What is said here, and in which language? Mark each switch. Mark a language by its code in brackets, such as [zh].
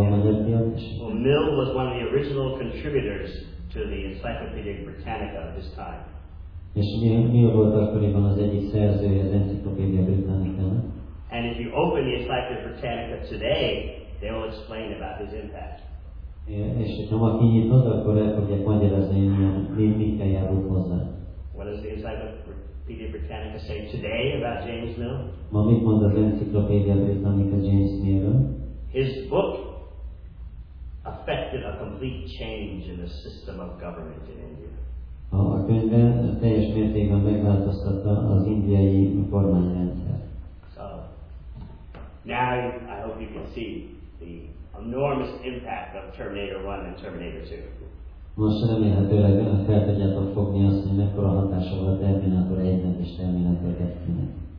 [en] Well, Mill was one of the original contributors to the Encyclopedia Britannica of his time. [hu] És Mill volt akkoriban az egyik szerzője az Encyclopedia Britannica-nak. [en] And if you open the Encyclopedia Britannica today, they will explain about his impact. [hu] És ha ma kinyitod, akkor el fogja magyarázni, hogy mikkel járult hozzá. [en] What does the Encyclopedia Britannica say today about James Mill? [hu] Ma mit mond az Encyclopedia Britannica James Mill-ről? [en] His book affected a complete change in the system of government in India. [hu] A könyve teljes mértékben megváltoztatta az indiai kormányrendszert. [en] So, now I hope you can see the enormous impact of Terminator 1 and Terminator 2. [hu] Most remélhetőleg fel tudjátok fogni azt, hogy mekkora hatása volt a Terminator 1-nek és Terminator 2-nek.